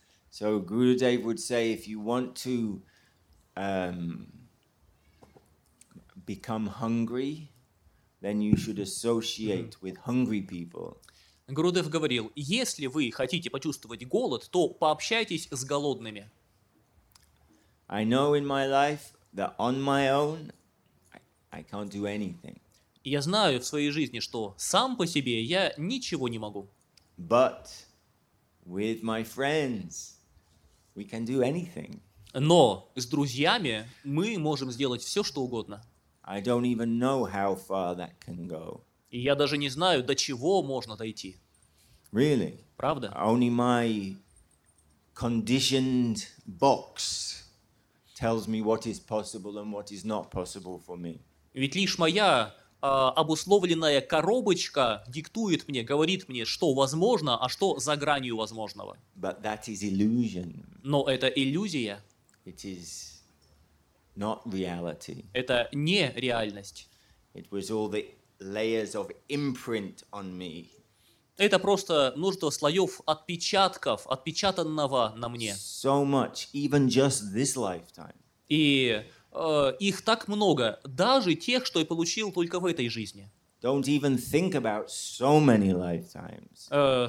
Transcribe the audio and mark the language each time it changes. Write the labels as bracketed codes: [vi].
[en] So Gurudev would say, if you want to become hungry, then you should associate with hungry people. [ru] Гурудев говорил, если вы хотите почувствовать голод, то пообщайтесь с голодными. [en] I know in my life that on my own I can't do anything. [ru] Я знаю в своей жизни, что сам по себе я ничего не могу. [en] But With my friends, we can do anything. [ru] Но с друзьями мы можем сделать все, что угодно. [en] I don't even know how far that can go. [ru] И я даже не знаю, до чего можно дойти. [en] Really? [ru] Правда? [en] Only my conditioned box tells me what is possible and what is not possible for me. [ru] Ведь лишь моя обусловленная коробочка диктует мне, говорит мне, что возможно, а что за гранью возможного. [en] But that is illusion. [ru] Но это иллюзия. [en] It is not reality. [ru] Это не реальность. [en] It was all the layers of imprint on me. [ru] Это просто множество слоев отпечатков, отпечатанного на мне. [en] So much, even just this lifetime. [ru] И их так много, даже тех, что я получил только в этой жизни. [en] Don't even think about so many lifetimes.